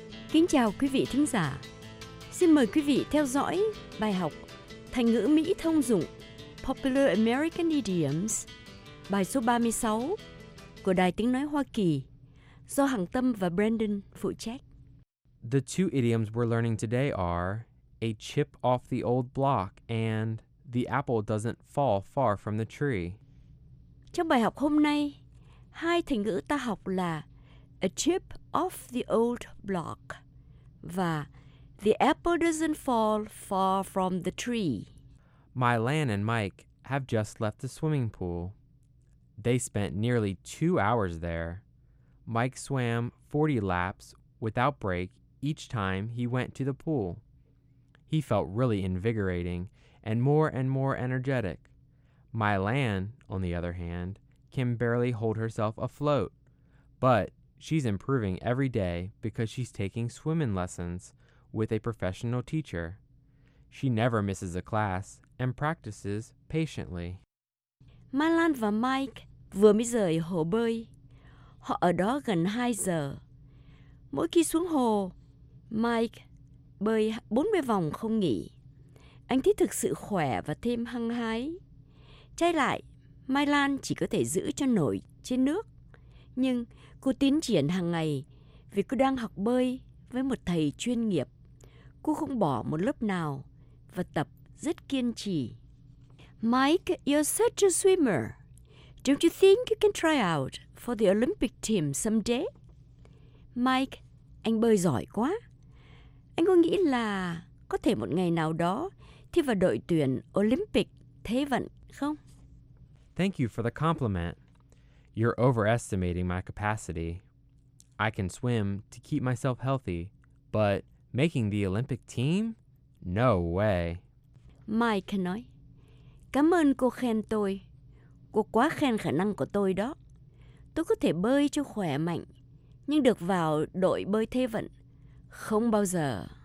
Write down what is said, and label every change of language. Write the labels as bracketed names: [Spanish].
[Vietnamese] Kính chào quý vị thính giả. Xin mời quý vị theo dõi bài học thành ngữ Mỹ thông dụng Popular American Idioms, bài số 36 của Đài Tiếng Nói Hoa Kỳ do Hằng Tâm và Brandon phụ trách. [English] The two idioms we're learning today are a chip off the old block and the apple doesn't fall far from the tree. [Vietnamese] Trong bài học hôm nay, hai thành ngữ ta học là [English] a chip off the old block và the apple doesn't fall far from the tree. My Lan and Mike have just left the swimming pool. They spent nearly 2 hours there. Mike swam 40 laps without break each time he went to the pool. He felt really invigorating and more energetic. My Lan, on the other hand, can barely hold herself afloat, but she's improving every day because she's taking swimming lessons with a professional teacher. She never misses a class and practices patiently. [Vietnamese] My Lan và Mike vừa mới rời hồ bơi. Họ ở đó gần 2 giờ. Mỗi khi xuống hồ, Mike bơi 40 vòng không nghỉ. Anh thấy thực sự khỏe và thêm hăng hái. Trái lại, Mai Lan chỉ có thể giữ cho nổi trên nước. Nhưng cô tiến triển hàng ngày vì cô đang học bơi với một thầy chuyên nghiệp. Cô không bỏ một lớp nào và tập rất kiên trì. [English] Mike, you're such a swimmer. Don't you think you can try out for the Olympic team someday? [Vietnamese] Mike, anh bơi giỏi quá. Anh có nghĩ là có thể một ngày nào đó thi vào đội tuyển Olympic thế vận không? [English] Thank you for the compliment. You're overestimating my capacity. I can swim to keep myself healthy, but making the Olympic team? No way. [Vietnamese] Mike nói, cảm ơn cô khen tôi. Cô quá khen khả năng của tôi đó. Tôi có thể bơi cho khỏe mạnh, nhưng được vào đội bơi thế vận, không bao giờ.